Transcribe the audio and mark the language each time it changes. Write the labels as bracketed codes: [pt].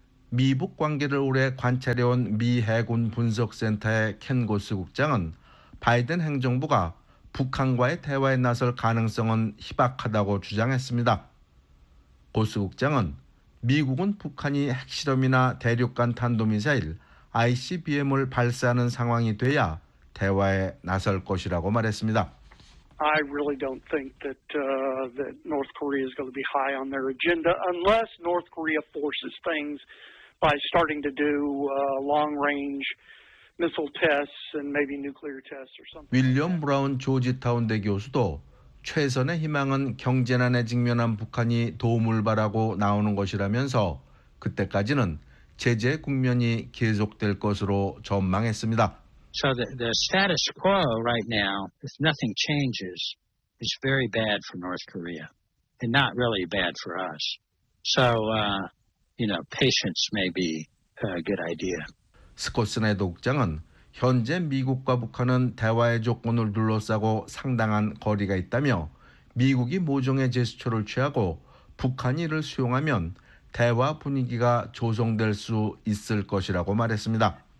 [ko] 미북 관계를 오래 관찰해온 미 해군 분석센터의 켄 고스 국장은 바이든 행정부가 북한과의 대화에 나설 가능성은 희박하다고 주장했습니다. 고스 국장은 미국은 북한이 핵실험이나 대륙간 탄도미사일 ICBM을 발사하는 상황이 돼야 대화에 나설 것이라고 말했습니다. [en] I really don't think that that North Korea is going to be high on their agenda unless North Korea forces things by starting to do long range missile tests and maybe nuclear tests or something. [ko] 윌리엄 브라운 조지타운 대 교수도 최선의 희망은 경제난에 직면한 북한이 도움을 바라고 나오는 것이라면서 그때까지는 제재 국면이 계속될 것으로 전망했습니다. [en] So the status quo right now, if nothing changes, is very bad for North Korea and not really bad for us. So, you know, patience may be a good idea. [ko] 스콧 스나이더 국장은 현재 미국과 북한은 대화의 조건을 둘러싸고 상당한 거리가 있다며 미국이 모종의 제스처를 취하고 북한이 이를 수용하면 대화 분위기가 조성될 수 있을 것이라고 말했습니다.